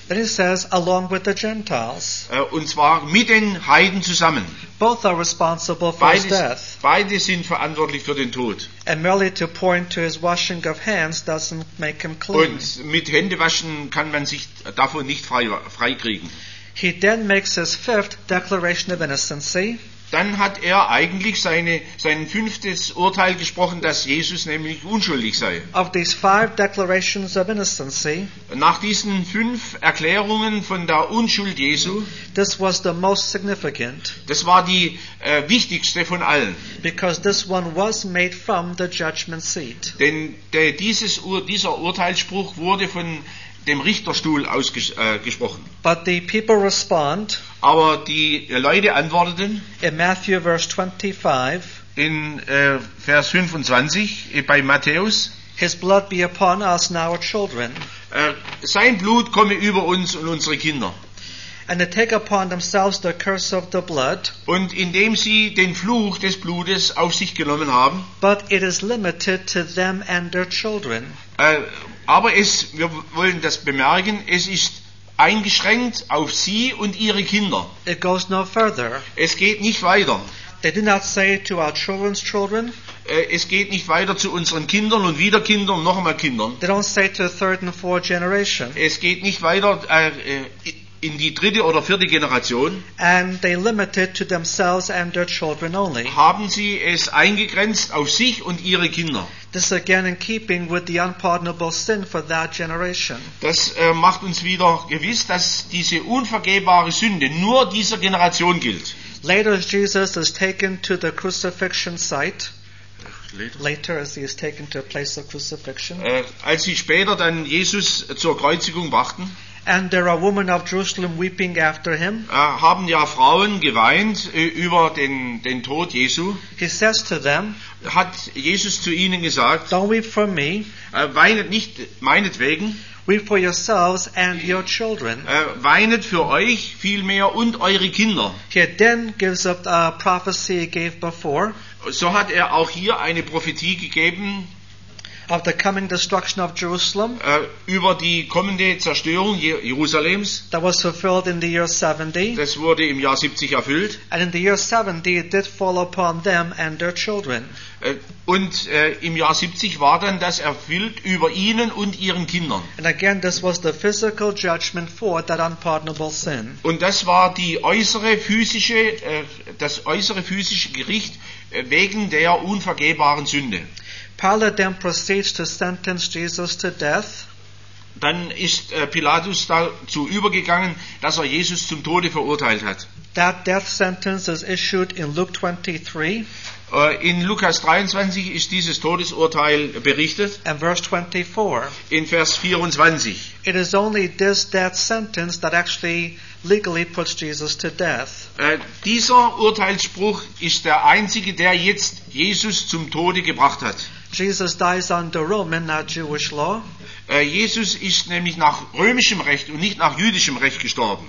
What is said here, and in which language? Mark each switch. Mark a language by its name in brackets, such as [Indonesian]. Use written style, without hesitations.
[English] Then he says, along with the Gentiles. [German] Und zwar mit den Heiden zusammen. [English] Both are responsible for his death. [German] Beide sind verantwortlich für den Tod. [English] And merely to point to his washing of hands doesn't make him clean. [German] Und mit Händewaschen kann man sich davon nicht freikriegen. [English] He then makes his fifth declaration of innocency. [German] Dann hat er eigentlich sein fünftes Urteil gesprochen, dass Jesus nämlich unschuldig sei. [English] Of these five declarations of innocency, [German] nach diesen fünf Erklärungen von der Unschuld Jesu, [English] this was the most significant, [German] das war die wichtigste von allen. [English] Because this one was made from the judgment seat. [German] Denn dieser Urteilsspruch wurde von dem Richterstuhl ausgesprochen. [English] But the people respond, [German] aber die Leute antworteten [English] in Matthew verse 25, [German] in Vers 25 bei Matthäus, [English] his blood be upon us and our children. [German] Sein Blut komme über uns und unsere Kinder. [English] And they take upon themselves the curse of the blood. [German] Und indem sie den Fluch des Blutes auf sich genommen haben, [English] but it is limited to them and their children. [German] Aber wir wollen das bemerken, es ist eingeschränkt auf sie und ihre Kinder. [English] It goes no further. [German] Es geht nicht weiter. [English] They do not say to our children's children. [German] Es geht nicht weiter zu unseren Kindern und wieder Kindern und noch einmal Kindern. [English] They don't say to the third and fourth generation. [German] Es geht nicht weiter in die dritte oder vierte Generation. [English] And they limit it to themselves and their children only. [German] Haben sie es eingegrenzt auf sich und ihre Kinder? [English] This is again in keeping with the unpardonable sin for that generation. [German] Das macht uns wieder gewiss, dass diese unvergebbare Sünde nur dieser Generation gilt. [English] Later, Jesus is taken to the crucifixion site. Later, as he is taken to a place of crucifixion. [German] Als sie später dann Jesus zur Kreuzigung brachten. [English] And there are women of Jerusalem weeping after him. [German] Haben ja Frauen geweint über den Tod Jesu. [English] He says to them. [German] Hat Jesus zu ihnen gesagt. [English] Don't weep for me. [German] Weinet nicht meinetwegen. [English] Weep for yourselves and your children. [German] Weinet für euch vielmehr und eure Kinder. [English] He then gives up a prophecy he gave before. [German] So hat auch hier eine Prophetie gegeben. [English] Of the coming destruction of Jerusalem. [German] Über die kommende Zerstörung Jerusalems. [English] That was fulfilled in the year 70. [German] Das wurde im Jahr 70 erfüllt. [English] And in the year 70 it did fall upon them and their children. [German] Und im Jahr 70 war dann das erfüllt über ihnen und ihren Kindern. [English] And again, this was the physical judgment for that unpardonable sin. [German] Und das war die äußere physische, das äußere physische Gericht wegen der unvergehbaren Sünde. [English] Pilate then proceeds to sentence Jesus to death. [German] Dann ist Pilatus dazu übergegangen, dass Jesus zum Tode verurteilt hat. [English] That death sentence is issued in Luke 23. [German] In Lukas 23 ist dieses Todesurteil berichtet. [English] And verse 24. [German] In Vers 24. [English] It is only this death sentence that actually legally puts Jesus to death. [German] Dieser Urteilsspruch ist der einzige, der jetzt Jesus zum Tode gebracht hat. [English] Jesus dies under Roman, not Jewish law. [German] Jesus ist nämlich nach römischem Recht und nicht nach jüdischem Recht gestorben.